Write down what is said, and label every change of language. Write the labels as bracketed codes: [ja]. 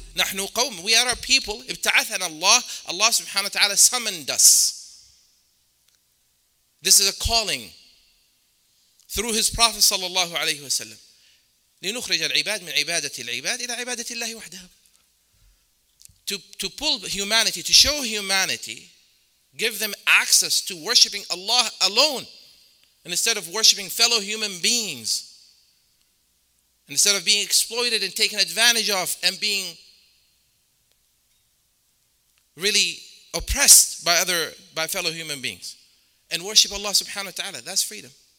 [ar] نحن قوم, [en] we are a people. [ar] ابتعثنا الله, [en] Allah subhanahu wa ta'ala summoned us. This is a calling through his Prophet sallallahu alayhi wa sallam. [ar] لنخرج العباد من عبادة العباد إلى عبادة الله وحده. [en] To pull humanity, to show humanity, give them access to worshiping Allah alone, and instead of worshiping fellow human beings, instead of being exploited and taken advantage of and being really oppressed by fellow human beings, and worship Allah subhanahu wa ta'ala. That's freedom.